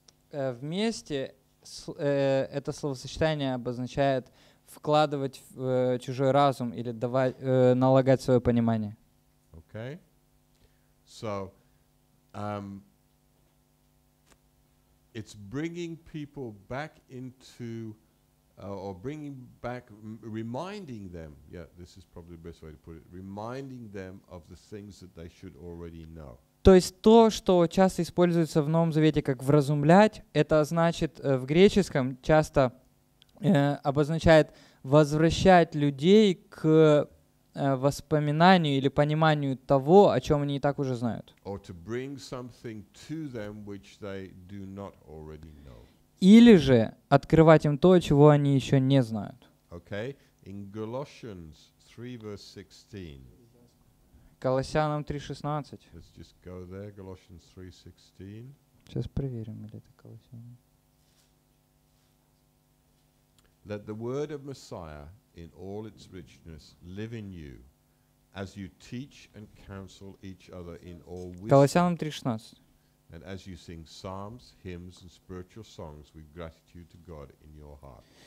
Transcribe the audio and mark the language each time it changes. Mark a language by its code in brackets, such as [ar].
[ru] Вместе это словосочетание обозначает вкладывать в чужой разум или давать, налагать свое понимание. [en] Okay. So, it's bringing people back into, or bringing back, reminding them, yeah, this is probably the best way to put it, reminding them of the things that they should already know. [ru] То есть то, что часто используется в Новом Завете как вразумлять, это значит в греческом часто обозначает возвращать людей к воспоминанию или пониманию того, о чем они и так уже знают. [en] Or to bring something to them, which they do not already know. [ru] Или же открывать им то, чего они еще не знают. [en] Okay. In Galatians 3, verse 16. [ru] Колоссянам 3:16. [en] Let's just go there, Galatians 3:16. [ru] Сейчас проверим, или это Колоссянам. [en] Let the word of Messiah in all its richness live in you as you teach and counsel each other in all wisdom. And as you sing psalms, hymns and spiritual songs with gratitude to God in your heart.